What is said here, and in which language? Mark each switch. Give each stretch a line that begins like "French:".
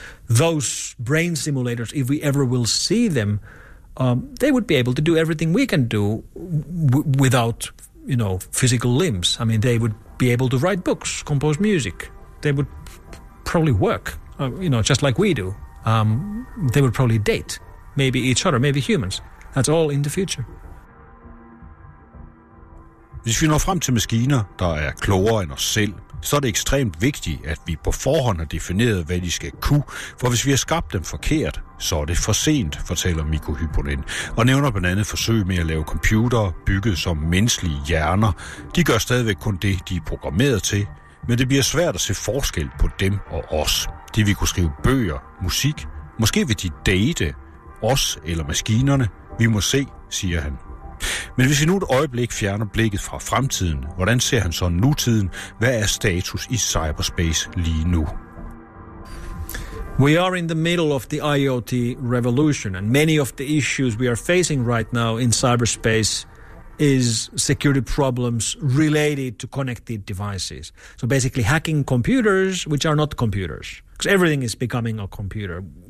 English: Those brain simulators, if we ever will see them, they would be able to do everything we can do without, you know, physical limbs. I mean, they would be able to write books, compose music. They would probably work, you know, just like we do. They would probably date, maybe each other, maybe humans. That's all in the future.
Danish: Hvis vi når frem til maskiner, der er klogere end os selv, så er det ekstremt vigtigt, at vi på forhånd har defineret, hvad de skal kunne, for hvis vi har skabt dem forkert, så er det for sent, fortæller Mikko Hyponen, og nævner blandt andet forsøg med at lave computere bygget som menneskelige hjerner. De gør stadigvæk kun det, de er programmeret til, men det bliver svært at se forskel på dem og os. De vil kunne skrive bøger, musik, måske vil de date os eller maskinerne. Vi må se, siger han. Men hvis vi nu et øjeblik fjerner blikket fra fremtiden, hvordan ser han så nutiden? Hvad er status i cyberspace lige nu?
English: We are in the middle of the IoT revolution, and many of the issues we are facing right now in cyberspace is security problems related to connected devices. So basically hacking computers which are not computers, because everything is becoming a computer.